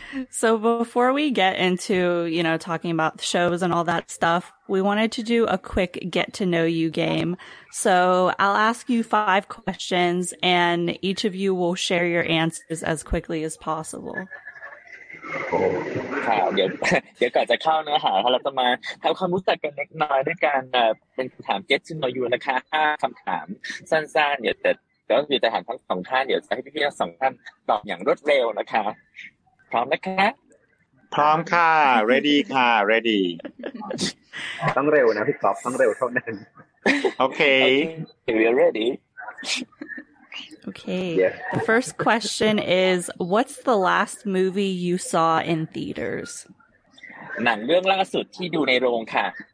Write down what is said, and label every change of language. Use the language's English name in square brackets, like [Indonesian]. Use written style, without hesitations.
[English] So before we get into, you know, talking about shows and all that stuff, we wanted to do a quick get to know you game. So I'll ask you 5 questions and each of you will share your answers as quickly as possible. [Thai] ค่ะเดี๋ยวก่อนจะเข้าเนื้อหาเราจะมาทำความรู้จักกันเล็กน้อยด้วยการเป็นคำถาม get to know you นะคะ5คำถามสั้นๆเดี๋ยวจะถามทั้ง2ท่านเดี๋ยวจะให้พี่ๆ2ท่านตอบอย่างรวดเร็วนะคะพร้อมนะคะ พร้อมค่ะ ready ค่ะ ready ต้องเร็วนะพี่ก๊อฟต้องเร็วเท่านั้น โอเค [English] we are ready okay the first question is what's the last movie you saw in theaters [Thai] หนังเรื่องล่าสุดที่ดูในโรงค่ะ